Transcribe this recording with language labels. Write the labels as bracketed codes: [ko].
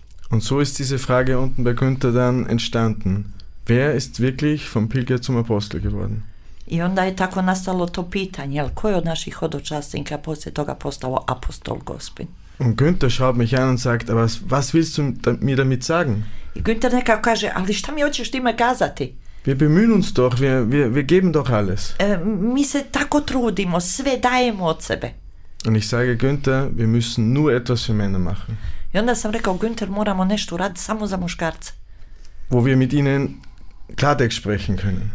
[de] Und so ist diese Frage unten bei Günther dann entstanden. Wer ist wirklich vom Pilger zum Apostel geworden? [hr] I onda je tako nastalo to pitanje, jel, ko je od naših hodočasnika poslije toga postao apostol Gospin? [de] Und Günther schaut mich an und sagt, aber was willst du mir damit sagen? [hr] I Günther nekako kaže, ali šta mi hoćeš time kazati? [de] Wir bemühen uns doch, wir geben doch alles. [hr] Mi se tako trudimo, sve dajemo od sebe. [de] Und ich sage, Günther, wir müssen nur etwas für Männer machen. [hr] I onda sam rekao, Günther, moramo nešto raditi samo za muškarce. [de] Wo wir mit ihnen Klartext sprechen können.